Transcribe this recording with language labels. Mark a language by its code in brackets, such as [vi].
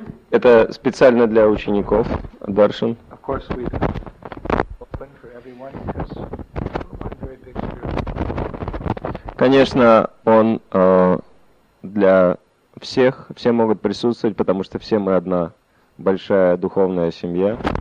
[ru] Это специально для учеников даршан. [en] Of course, we've opened for everyone because one very big spiritual. [ru] Конечно, он для всех, все могут присутствовать, потому что все мы одна большая духовная семья.